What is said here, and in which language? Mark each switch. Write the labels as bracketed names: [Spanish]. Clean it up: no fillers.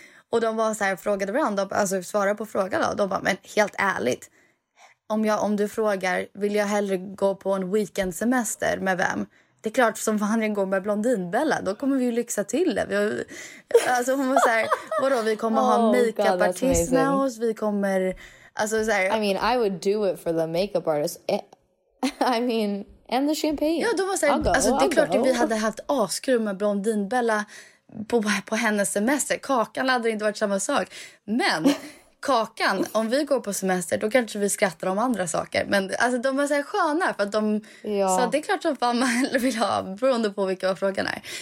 [Swedish] Och de var så här, frågade varandra, alltså svarade på frågan då. De bara, men helt ärligt, om du frågar, vill jag hellre gå på en weekendsemester med vem? Det är klart, som fan jag går med blondinbella, då kommer vi ju lyxa till det. Alltså hon var så här, vadå, vi kommer ha makeupartist med oss, vi kommer, alltså så här. [English] I mean, I would do it for the makeup artist. I mean, and the champagne. [Swedish] Ja, de var så här, alltså det är klart att vi hade haft askrum med blondinbella på hennes semester. Kakan hade inte varit samma sak. Men kakan, om vi går på semester, då kanske vi skrattar om andra saker. Men alltså, de var så här sköna för att de sa att det är klart som fan man vill ha, beroende på vilka frågan är.